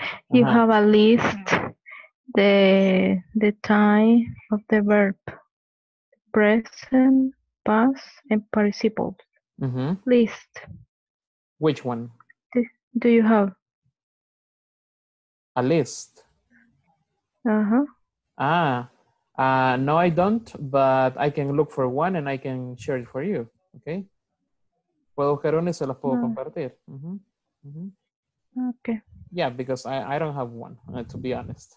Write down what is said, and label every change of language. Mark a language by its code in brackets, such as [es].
[en] You have a list the time of the verb present, past, and participle. List. Which one? Do you have a list? Uh-huh. No, I don't, but I can look for one and I can share it for you. Okay. [es] Puedo buscar una y se las puedo compartir. [en] Okay. Yeah, because I don't have one, to be honest.